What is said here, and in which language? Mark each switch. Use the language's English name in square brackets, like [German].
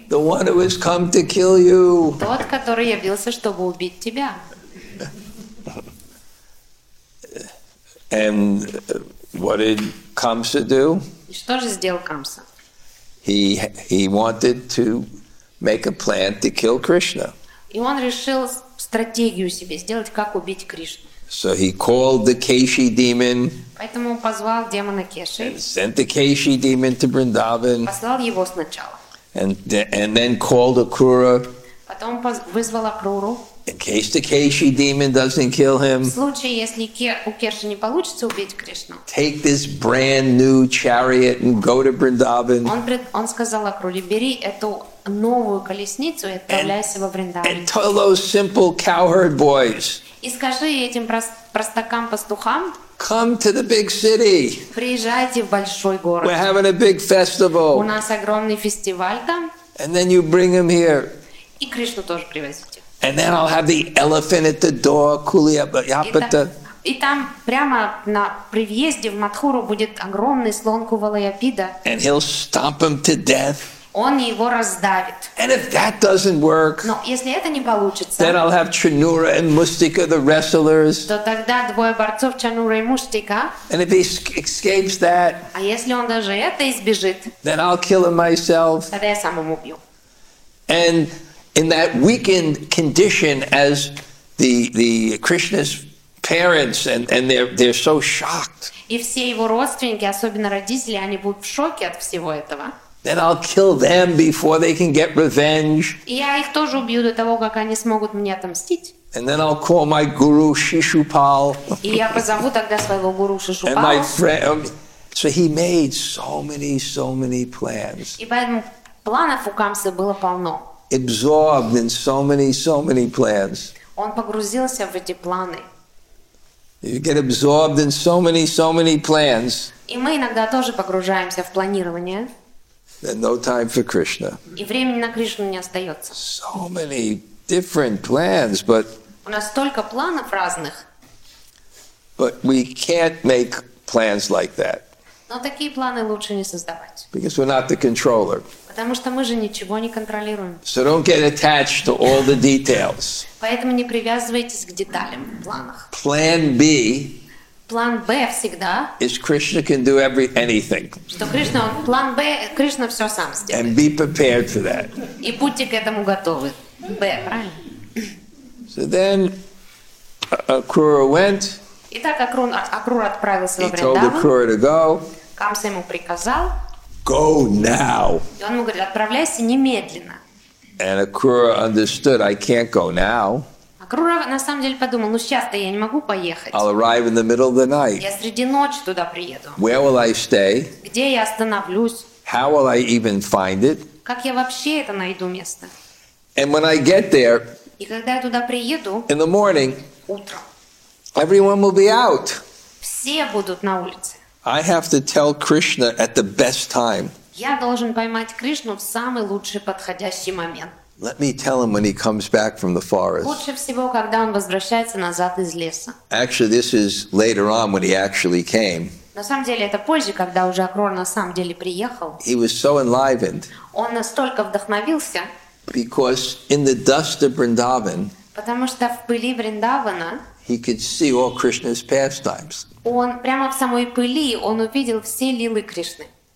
[English] The one who has come to kill you. [Russian] Тот, который явился, чтобы убить тебя. [English] And what did Kamsa do? [Russian] И что же сделал Камса? [English] He wanted to make a plan to kill Krishna. [Russian] И он решил стратегию себе сделать, как убить Кришну. [English] So he called the Keshi demon. [Russian] Поэтому он позвал демона Кеши. [English] And sent the Keshi demon to Vrindavan. [Russian] Послал его сначала. [English] And then called Akrura. [Russian] Потом вызвал Акруру. [English] In case the Keshi demon doesn't kill him. [Russian] В случае, если у Кеши не получится убить Кришну. [English] Take this brand new chariot and go to Vrindavan. [Russian] Он сказал Акруре, бери эту новую колесницу и отправляйся во Вриндаван. [English] And tell those simple cowherd boys. [Russian] И скажи этим простакам пастухам. [English] Come to the big city. [Russian] Приезжайте в большой город. [English] We're having a big festival. [Russian] У нас огромный фестиваль там. [English] And then you bring him here. [Russian] И Кришну тоже привезите. [English] And then I'll have the elephant at the door, Kulayapata. [Russian] И там прямо на при въезде в Матхуру будет огромный слон Кувалаяпида. [English] And he'll stomp him to death. [Russian] Он его раздавит. [English] And if that doesn't work, [Russian] но если это не получится, [English] then I'll have Chanura and Mustika, the wrestlers. [Russian] То тогда двое борцов Чанура и Мустика. [English] And if he escapes that, [Russian] а если он даже это избежит, [English] then I'll kill him myself. [Russian] Тогда я сам его убью. [English] And in that weakened condition, as the Krishna's parents and they're so shocked. [Russian] И все его родственники, особенно родители, они будут в шоке от всего этого. [English] Then I'll kill them before they can get revenge. [Russian] Я их тоже убью до того, как они смогут мне отомстить. [English] And then I'll call my guru Shishupal. [Russian] И я позову тогда своего гуру Шишупала. [English] And my friend. So he made so many plans. [Russian] И поэтому планов у Камсы было полно. [English] Absorbed in so many plans. [Russian] Он погрузился в эти планы. [English] You get absorbed in so many plans. [Russian] И мы иногда тоже погружаемся в планирование. [English] Then no time for Krishna. [Russian] И времени на Кришну не остается. [English] So many different plans, but [Russian] у нас столько планов разных. [English] But we can't make plans like that. [Russian] Но такие планы лучше не создавать. [English] Because we're not the controller. [Russian] Потому что мы же ничего не контролируем. [English] So don't get attached to all the details. [Russian] Поэтому не привязывайтесь к деталям в планах. [English] Plan B. [Russian] план Б всегда. [English] Is Krishna can do anything. [Russian] Что Кришна, план Б, Кришна все сам сделает. [English] And be prepared for that. [Russian] И будьте к этому готовы. Б, правильно? [English] So then, Акрура went. [Russian] Итак, Акрура отправился во Вриндаван. [English] He told Акрура to go. [Russian] Камса ему приказал. [English] Go now. [Russian] И он ему говорит, отправляйся немедленно. [English] And Акрура understood, I can't go now. [Russian] Акрура на самом деле подумал, ну сейчас-то я не могу поехать. [English] I'll arrive in the middle of the night. [Russian] Я среди ночи туда приеду. [English] Where will I stay? [Russian] Где я остановлюсь? [English] How will I even find it? [Russian] Как я вообще это найду место? [English] And when I get there, [Russian] и когда я туда приеду, [English] in the morning, [Russian] утром, [English] everyone will be out. [Russian] Все будут на улице. [English] I have to tell Krishna at the best time. [Russian] Я должен поймать Кришну в самый лучший подходящий момент. [English] Let me tell him when he comes back from the forest. [Russian] Лучше всего, когда он возвращается назад из леса. [English] Actually, this is later on when he actually came. [Russian] На самом деле, это позже, когда уже Акрура на самом деле приехал. [English] He was so enlivened. [Russian] Он настолько вдохновился. [English] Because in the dust of Vrindavan. [Russian] Потому что в пыли Вриндавана. [English] He could see all Krishna's pastimes. [Russian] Он прямо в самой пыли он увидел все лилы Кришны.